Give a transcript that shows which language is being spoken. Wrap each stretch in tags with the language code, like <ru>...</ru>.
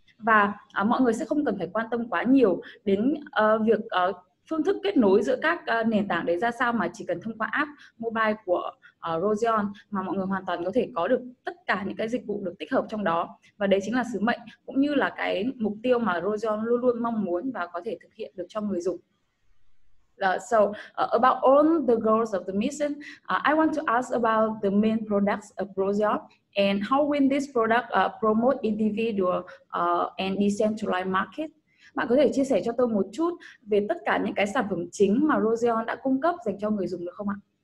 <vi>Và mọi người sẽ không cần phải quan tâm quá nhiều đến việc phương thức kết nối giữa các nền tảng đấy ra sao, mà chỉ cần thông qua app mobile của Roseon mà mọi người hoàn toàn có thể có được tất cả những cái dịch vụ được tích hợp trong đó. Và đấy chính là sứ mệnh cũng như là cái mục tiêu mà Roseon luôn luôn mong muốn và có thể thực hiện được cho người dùng.</vi> <en>About all the goals of the mission, I want to ask about the main products of Roseon and how will this product promote individual and decentralized markets?</en> <vi>Bạn có thể chia sẻ cho tôi một chút về tất cả những cái sản phẩm chính mà Roseon đã cung cấp dành cho người dùng được không ạ?</vi>